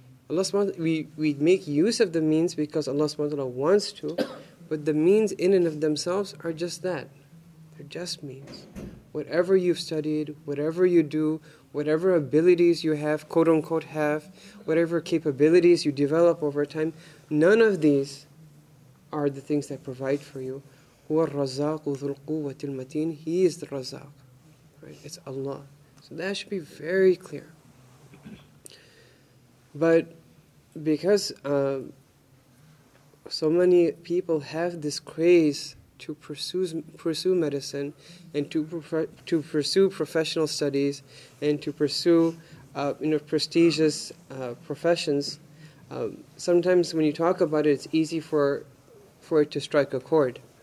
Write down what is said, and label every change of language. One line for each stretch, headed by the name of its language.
English: Allah subhanahu wa ta'ala, we make use of the means because Allah subhanahu wa ta'ala wants to, but the means in and of themselves are just that. They're just means. Whatever you've studied, whatever you do, whatever abilities you have, quote-unquote have, whatever capabilities you develop over time, none of these are the things that provide for you.
Arabic: هو الرزاق ذو القوة المتين.
English: He is the Razaq. Right? It's Allah. So that should be very clear. But because so many people have this craze to pursue medicine and to pursue professional studies and to pursue prestigious professions, sometimes when you talk about it, it's easy for it to strike a chord.